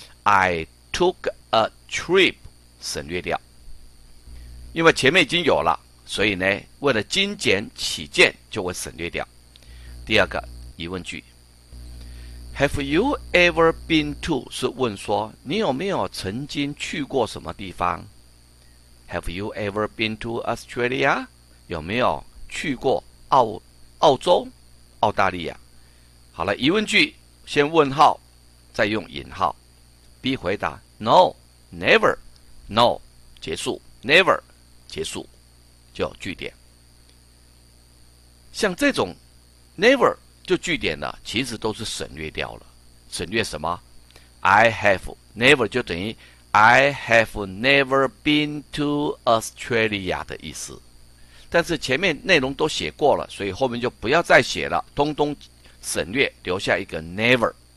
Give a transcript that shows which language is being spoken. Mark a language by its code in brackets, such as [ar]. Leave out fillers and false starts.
[en] I took a trip [zh] 省略掉，因为前面已经有了，所以呢为了精简起见就会省略掉。第二个疑问句， [en] Have you ever been to [zh] 是问说你有没有曾经去过什么地方。 [en] Have you ever been to Australia， [zh] 有没有去过澳洲澳大利亚。好了，疑问句先问号再用引号。 B 回答 [en] No never， [zh] No 结束， never 结束就句点。像这种 never 就句点的其实都是省略掉了。省略什么？ I have never 就等于 [en] I have never been to Australia [zh] 的意思，但是前面内容都写过了，所以后面就不要再写了，通通省略，留下一个 never。